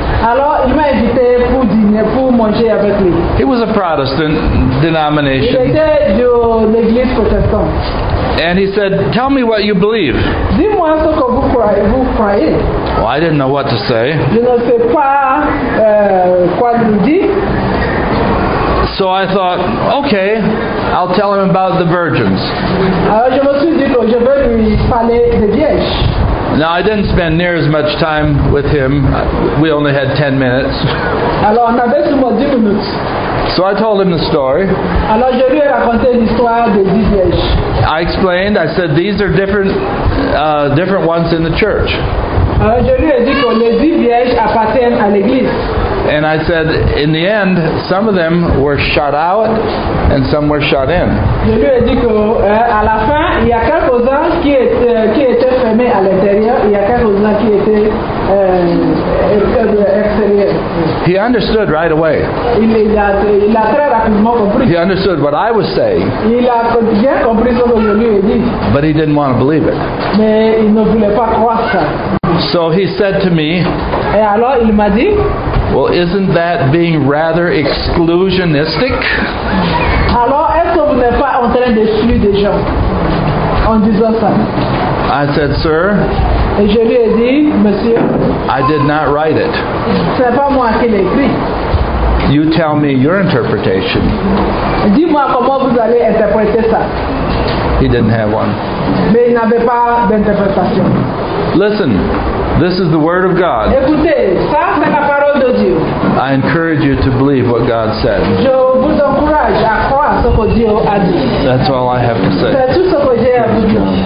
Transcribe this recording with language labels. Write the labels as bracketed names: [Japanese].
[French] Alors, il m'a invité pour dîner, pour manger avec lui. [English] He was a Protestant denomination. [French] Il était de l'église protestante. [English] And he said, "Tell me what you believe." [French] Dis-moi ce que vous croyez. [English] Well, I didn't know what to say. [French] Je ne sais pas quoi lui dire. [English] So I thought, okay, I'll tell him about the virgins. [French] Je me suis dit que je vais lui parler des vierges. [English] Now, I didn't spend near as much time with him. We only had 10 minutes. [French] Alors, on avait seulement 10 minutes. [English] So I told him the story. [French] Alors, je lui ai raconté l'histoire des vierges. [English] I explained, I said, these are different ones in the church. [French] Alors, je lui ai dit que les 10 vierges appartiennent à l'église. [English] And I said, in the end, some of them were shut out and some were shut in. [French] Je lui ai dit que à la fin, il y a quelques-uns qui étaient fermés à l'intérieur, il y a quelques-uns qui étaient extérieurs. [English] He understood right away. [French] Il a très rapidement compris. [English] He understood what I was saying. [French] Il a bien compris ce que je lui ai dit. [English] But he didn't want to believe it. [French] Mais il ne voulait pas croire ça. [English] So he said to me, [French] et alors il m'a dit, [English] "Well, isn't that being rather exclusionistic?" [French] Alors, est-ce que vous n'êtes pas en train d'exclure des gens en disant ça? [English] I said, "Sir." [French] Et je lui ai dit, "Monsieur." [English] I did not write it. [French] C'est pas moi qui l'ai écrit. [English] You tell me your interpretation. [French] Dis-moi comment vous allez interpréter ça. [English] He didn't have one. [French] Mais il n'avait pas d'interprétation. [English] Listen, this is the word of God. [French] Écoutez, ça c'est la parole de Dieu. [English] I encourage you to believe what God said. [French] Je vous encourage à croire ce que Dieu a dit. [English] That's all I have to say. [French] C'est tout ce que j'ai à vous dire.